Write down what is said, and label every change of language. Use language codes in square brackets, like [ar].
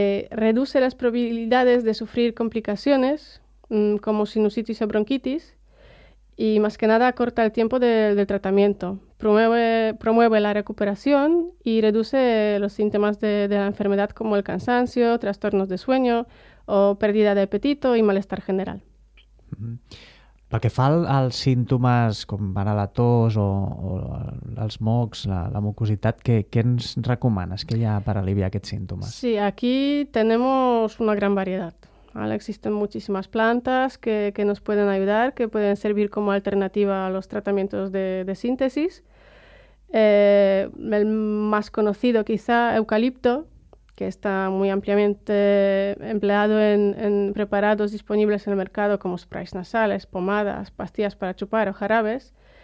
[es] Reduce las probabilidades de sufrir complicaciones, como sinusitis o bronquitis, y más que nada acorta el tiempo del tratamiento. Promueve la recuperación y reduce los síntomas de la enfermedad, como el cansancio, trastornos de sueño o pérdida de apetito y malestar general. [ca] Pel que fa als símptomes, com van a la tos o els mocs, la mucositat, què ens recomanes que hi ha per aliviar aquests símptomes? [es] Sí, aquí tenemos una gran variedad. Existen muchísimas plantas que nos pueden ayudar, que pueden servir como alternativa a los tratamientos de síntesis. El más conocido quizá, eucalipto, que está muy ampliamente empleado en preparados disponibles en el mercado como sprays nasales, pomadas, pastillas para chupar o jarabes.